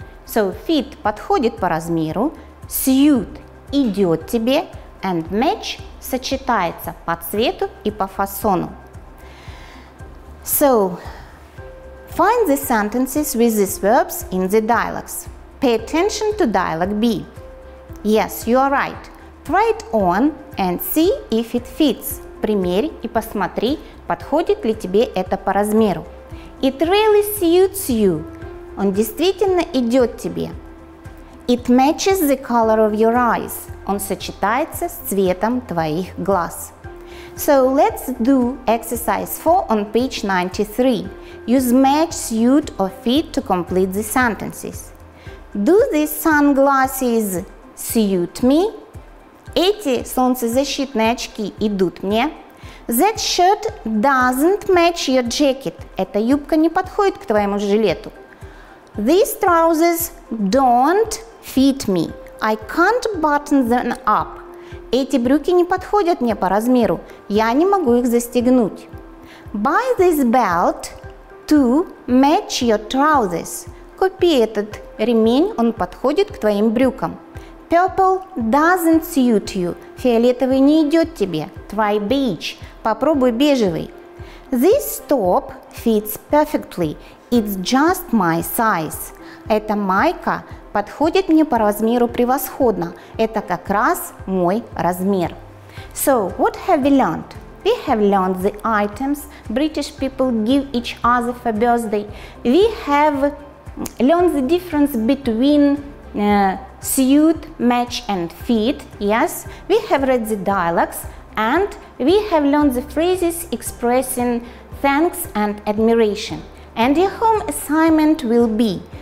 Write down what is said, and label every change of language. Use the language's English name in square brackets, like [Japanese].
[Russian] So, fit подходит по размеру, suit идет тебе, and match сочетается по цвету и по фасону. [English] So, find the sentences with these verbs in the dialogues. Pay attention to dialogue B. Yes, you are right. Try it on and see if it fits. [Russian] Примерь и посмотри, подходит ли тебе это по размеру. [English] It really suits you. [Russian] Он действительно идет тебе. [English] It matches the color of your eyes. [Russian] Он сочетается с цветом твоих глаз. [English] So let's do exercise 4 on page 93. Use match, suit or fit to complete the sentences. Do these sunglasses suit me? [Russian] Эти солнцезащитные очки идут мне. [English] That shirt doesn't match your jacket. [Russian] Эта юбка не подходит к твоему жилету. [English] These trousers don't fit me. I can't button them up. [Russian] Эти брюки не подходят мне по размеру. Я не могу их застегнуть. [English] Buy this belt to match your trousers. [Russian] Купи этот ремень, он подходит к твоим брюкам. [English] Purple doesn't suit you. [Russian] Фиолетовый не идет тебе. [English] Try beige. [Russian] Попробуй бежевый. [English] This top fits perfectly. It's just my size. [Russian] Эта майка подходит мне по размеру превосходно. Это как раз мой размер. [English] So, what have we learned? We have learned the items British people give each other for birthday. We have learned the difference between suit, match and fit. Yes, we have read the dialogues and we have learned the phrases expressing thanks and admiration. And your home assignment will be